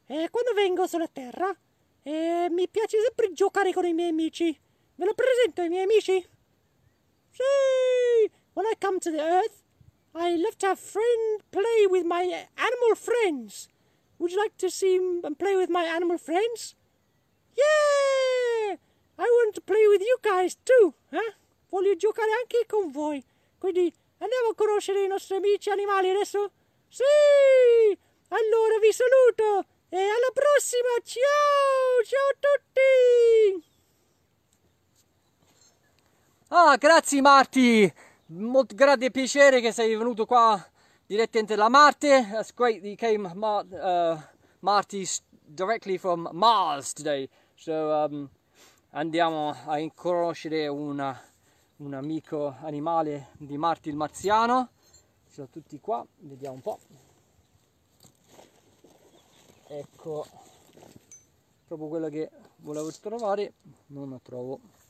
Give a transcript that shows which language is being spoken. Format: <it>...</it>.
<it>Quando vengo sulla Terra, mi piace sempre giocare con i miei amici. Ve lo presento, i miei amici? Sì!</it> <en>When I come to the Earth, I love to have friend play with my animal friends. Would you like to see and play with my animal friends? Yeah! I want to play with you guys too, eh?</en> <it>Voglio giocare anche con voi. Quindi andiamo a conoscere i nostri amici animali adesso? Sì! Allora vi saluto e alla prossima! Ciao! Ciao a tutti! Ah, grazie Marti! Molto grande piacere che sei venuto qua direttamente da Marte.</it> <en>It's great that you came, Marti, directly from Mars today.</en> <it>So, andiamo a conoscere un amico animale di Marti il Marziano. Ci sono tutti qua, vediamo un po'. Ecco, proprio quello che volevo trovare, non lo trovo.</it>